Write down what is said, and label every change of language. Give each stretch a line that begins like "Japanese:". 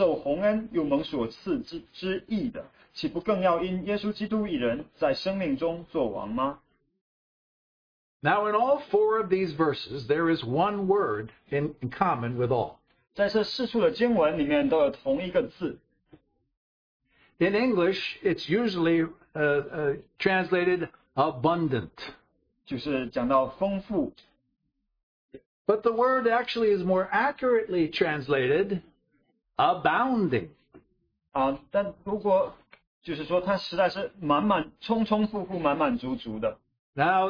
Chinese: 罗马书五章十七节，若因一人的过犯，死就因这一人做了王，何况那些受洪恩又蒙所赐之义的。
English: Now, in all four of these verses, there is one word in common with all. In English, it's usually translated abundant. But the word actually is more accurately translated abounding.
Chinese: 但如果 就是说它实在是满满充充富富满满足足的。Now,